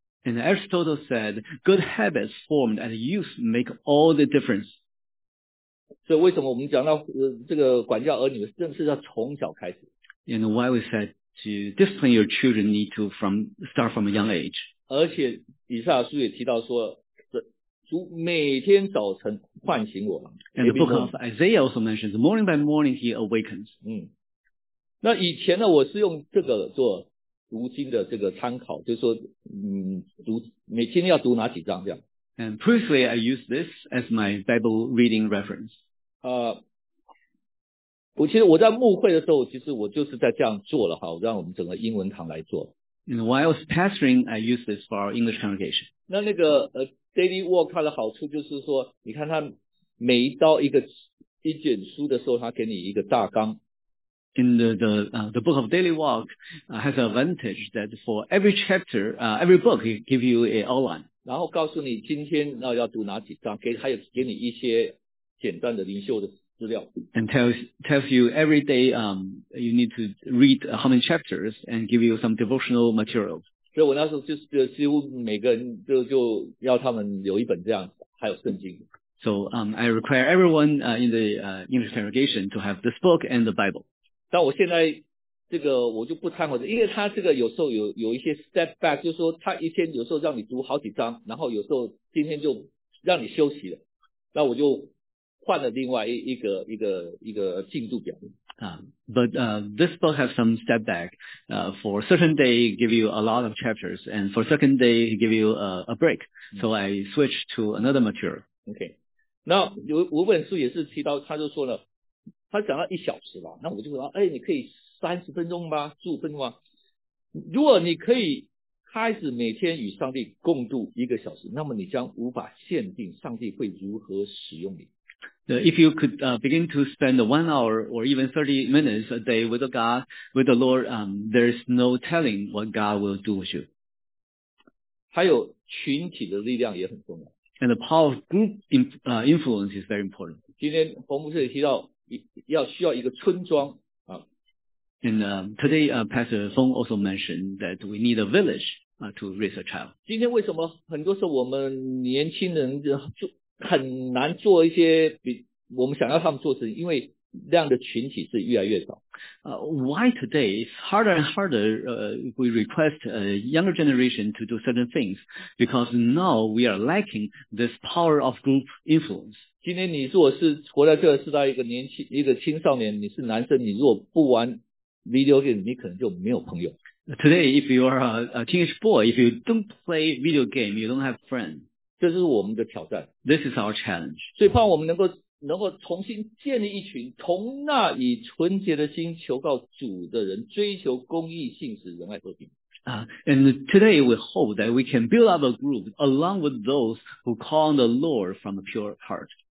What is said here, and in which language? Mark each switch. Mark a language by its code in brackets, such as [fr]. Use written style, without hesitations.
[en] And Aristotle said, good habits formed at youth make all the difference. [zh] 所以为什么我们讲到这个管教儿女，正是要从小开始。 [en] And why we said to discipline your children need to start from a young age. [zh] 而且以赛亚书也提到说，主每天早晨唤醒我。 [en] And the book of Isaiah also mentions, morning by morning he awakens. [zh] 那以前呢我是用这个做读经的这个参考，就是说读每天要读哪几章这样。 [en] And previously I used this as my Bible reading reference. [zh] 我其实我在牧会的时候其实我就是在这样做了哈，让我们整个英文堂来做。 [en] And while I was pastoring, I used this for our English congregation. [zh] 那个daily walk 它的好处就是说你看它每一到一卷书的时候它给你一个大纲。 [en] In the book of Daily Walk has an advantage that for every chapter, every book, he give you an outline. [zh] 然后告诉你今天要读哪几章，还有给你一些简单的灵修的资料。 [en] And tells you every day, you need to read how many chapters and give you some devotional materials. [zh] 所以我那时候就是几乎每个人就要他们留一本这样，还有圣经。 [en] So I require everyone in the English congregation to have this book and the Bible. [zh] 但我现在这个我就不掺和，因为他这个有时候有一些 [en] step back， [zh] 就是说他一天有时候让你读好几章，然后有时候今天就让你休息了，那我就换了另外一个进度表。 [en] But this book has some step back. For certain day, give you a lot of chapters, and for second day, give you a break. So I switch to another material. Okay. [zh] 那有本书也是提到，他就说了。他讲到一小时吧，那我就说，哎，你可以30分钟吧，15分钟吧。如果你可以开始每天与上帝共度一个小时，那么你将无法限定上帝会如何使用你。 [en] If you could begin to spend 1 hour or even 30 minutes a day with God, with the Lord, there is no telling what God will do with you. [zh] 还有群体的力量也很重要。 [en] And the power of group influence is very important. [zh] 今天冯牧师也提到要需要一个村庄啊。 [en] And today, Pastor Feng also mentioned that we need a village to raise a child. [zh] 今天为什么很多时候我们年轻人就很难做一些我们想要他们做事情，因为这样的群体是越来越少。 [en] Why today it's harder and harder, we request a younger generation to do certain things, because now we are lacking this power of group influence. [zh] 今天你如果是活在这个时代，一个年轻一个青少年，你是男生，你如果不玩 video game, 你可能就没有朋友。 [en] Today, if you are a teenage boy, if you don't play video game, you don't have friends. [zh] 这是我们的挑战。 [en] This is our challenge. [zh] 所以盼望我们能够重新建立一群从那以纯洁的心求告主的人，追求公义、信实、仁爱、和平。 [en] And today we hope that we can build up a group along with those who call on the Lord from a pure heart.